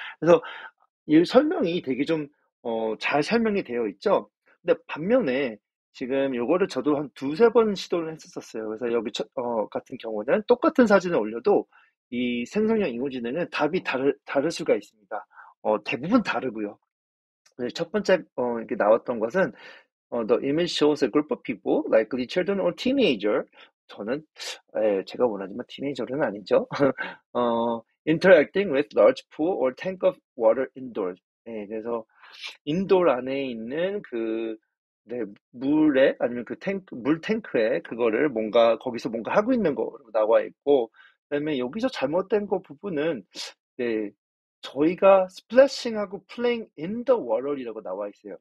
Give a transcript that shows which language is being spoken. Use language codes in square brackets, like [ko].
[ko] 그래서 이 설명이 되게 좀, 잘 설명이 되어 있죠. 근데 반면에 지금 요거를 저도 한 두세 번 시도를 했었어요. 그래서 여기 같은 경우는 똑같은 사진을 올려도 이 생성형 인공지능은 답이 다를 수가 있습니다. 대부분 다르고요. 첫 번째, 이렇게 나왔던 것은 [en] The image shows a group of people, likely children or teenager. [ko] 저는 제가 원하지만 teenager은 아니죠. [en] interacting with large pool or tank of water indoors. [ko] 네, 그래서 인도 안에 있는 그 네, 물에 아니면 그 탱크 물 탱크에 그거를 뭔가 거기서 뭔가 하고 있는 거로 나와 있고, 그다음에 여기서 잘못된 거 부분은 네. 저희가 splashing하고 [en] playing in the water [ko] 이라고 나와 있어요.